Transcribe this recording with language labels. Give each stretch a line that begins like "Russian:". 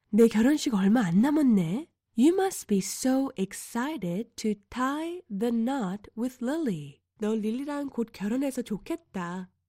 Korean: 내 결혼식 얼마 안 남았네.
English: You must be so excited to tie the knot with Lily.
Korean: 너 릴리랑 곧 결혼해서 좋겠다.